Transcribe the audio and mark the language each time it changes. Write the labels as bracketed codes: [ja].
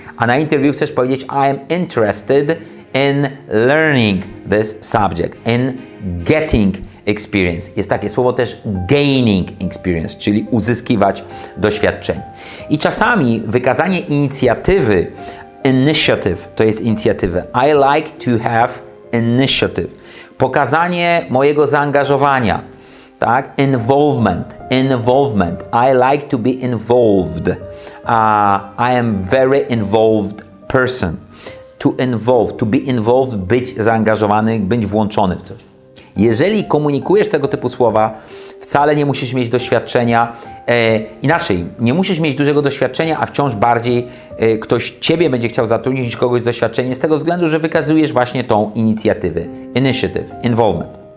[pl] A na interview chcesz powiedzieć [en] I am interested in learning this subject, in getting experience. [pl] Jest takie słowo też [en] gaining experience, [pl] czyli uzyskiwać doświadczenie. I czasami wykazanie inicjatywy, initiative, to jest inicjatywa. [en] I like to have initiative. [pl] Pokazanie mojego zaangażowania. [en] Tak? Involvement. Involvement. I like to be involved. I am very involved person. To involve. To be involved. [pl] Być zaangażowany, być włączony w coś. Jeżeli komunikujesz tego typu słowa, wcale nie musisz mieć doświadczenia. Inaczej, nie musisz mieć dużego doświadczenia, a wciąż bardziej ktoś Ciebie będzie chciał zatrudnić kogoś z doświadczeniem z tego względu, że wykazujesz właśnie tą inicjatywę. Initiative. Involvement.